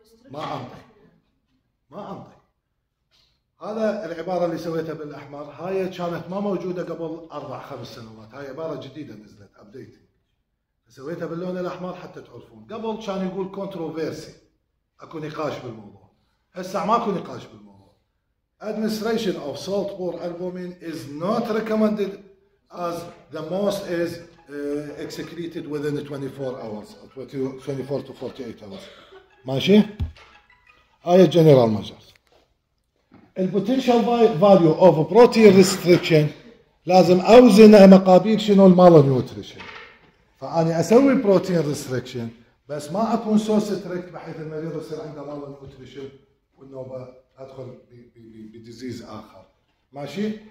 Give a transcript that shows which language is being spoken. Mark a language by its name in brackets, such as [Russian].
[Arabic] ما أمضي ما أمضي. هذا العبارة اللي سويتها بالأحمر هاي كانت ما موجودة قبل 4-5 سنوات، هاي عبارة جديدة نزلت أبديت سويتها باللون الأحمر حتى تعرفون. قبل كان يقول كونتروفيرسي، أكو نقاش بالموضوع، هسا ما أكو نقاش بالموضوع. [English] Administration of salt for albumin is not recommended as the most is excreted within 24 hours, 24 to 48 hours. [Arabic] ماشي، هاي جنرال ماجر. البوتنشال فاليو اوف بروتين ريستريكشن لازم اوزنها مقابل شنو المال نيوتريشن. فاني اسوي بروتين ريستريكشن بس ما اكون سورس تريكت بحيث المريض يصير عنده مال نيوتريشن والنوبه ادخل بديزيز اخر. ماشي.